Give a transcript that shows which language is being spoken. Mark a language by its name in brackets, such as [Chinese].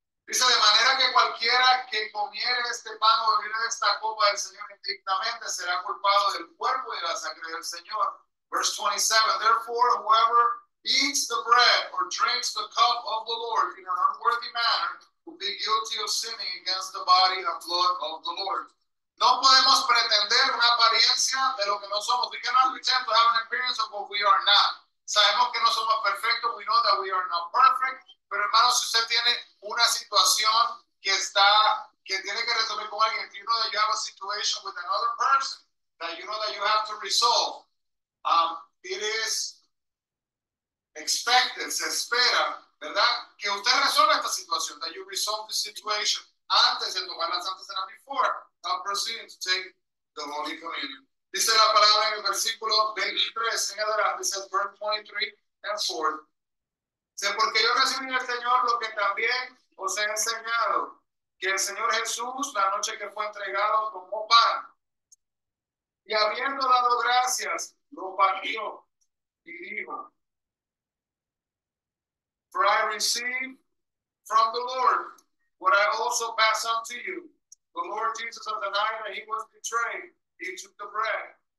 [Spanish] Dice, de manera que cualquiera que comiere este pan o bebiere esta copa del Señor indignamente será culpado del cuerpo y de la sangre del Señor. [English] Verse 27, therefore, whoever eats the bread or drinks the cup of the Lord in an unworthy manner will be guilty of sinning against the body and blood of the Lord. [Spanish] No podemos pretender una apariencia de lo que no somos. [English] We cannot pretend to have an appearance of what we are not. [Spanish] Sabemos que no somos perfectos. [English] We know that we are not perfect. [Spanish] Pero hermanos, si usted tiene una situación que tiene que resolver con alguien, [English] if you know that you have a situation with another person that you know that you have to resolve, it is expected, [Spanish] se espera, ¿verdad? Que usted resuelva esta situación, [English] that you resolve the situation [Spanish] antes de tomar la Santa Cena, [English] before I'm proceeding to take the Holy Communion. [Spanish] Dice la palabra en el versículo 23, en adorar, dice el [English] verse 23 and 4. [Spanish] Porque yo recibí del Señor lo que también os he enseñado, que el Señor Jesús, la noche que fue entregado, tomó pan. Y habiendo dado gracias, lo partió y dijo, [English] for I received from the Lord what I also pass on to you. The Lord Jesus, on the night that he was betrayed, he took the bread.